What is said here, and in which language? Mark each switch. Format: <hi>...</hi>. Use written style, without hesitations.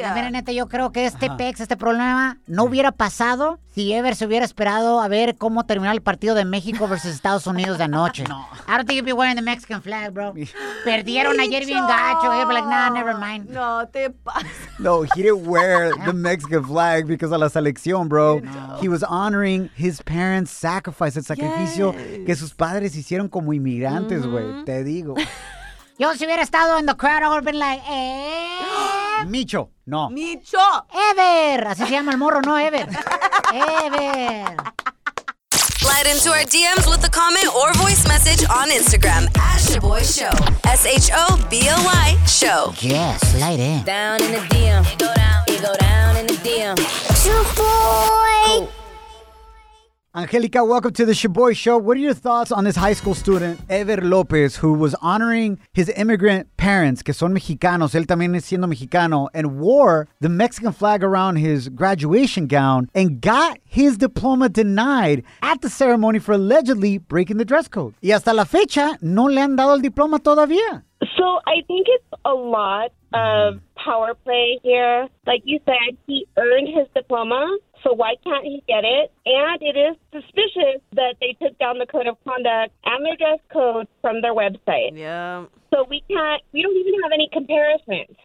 <es>La verdad, neta, yo creo que este pex, este problema, no hubiera pasado si Ever se hubiera esperado a ver cómo terminó el partido de México versus Estados Unidos de anoche. No.</es> <en>I don't think you'd be wearing the Mexican flag, bro.</en> <es>Perdieron ayer bien gacho. Ever</es> <en>like, nah, never mind.</en> <es>No, te pasa.</es> <en>No, he didn't wear the Mexican flag because of</en> <es>la selección,</es> <en>bro.</en> <es>No.</es> <en>He was honoring his parents' sacrifice,</en> <es>el sacrificio que sus padres hicieron como inmigrantes, güey. Mm-hmm. Te digo. Yo si hubiera estado en</es> <en>the crowd, I would have been like, ¿eh? Micho, no. Micho.</en> <es>Ever. Así se llama el morro, no Ever. Ever.</es> <en>Slide into our DMs with a comment or voice message on Instagram. Ash Boy Show. S-H-O-B-O-Y Show. Yeah, slide in. Down in the DM. You go down in the DM. Shaboy. Oh. Angelica, welcome to the Shaboy Show. What are your thoughts on this high school student, Ever Lopez, who was honoring his immigrant parents,</en> <es>que son mexicanos, él también es siendo mexicano,</es> <en>and wore the Mexican flag around his graduation gown and got his diploma denied at the ceremony for allegedly breaking the dress code?</en> <es>Y hasta la fecha, no le han dado el diploma todavía.</es> <en>So I think it's a lot of power play here. Like you said, he earned his diploma, so why can't he get it? And it is suspicious that they took down the code of conduct and the dress code from their website. Yeah. So we don't even have any comparisons.</en>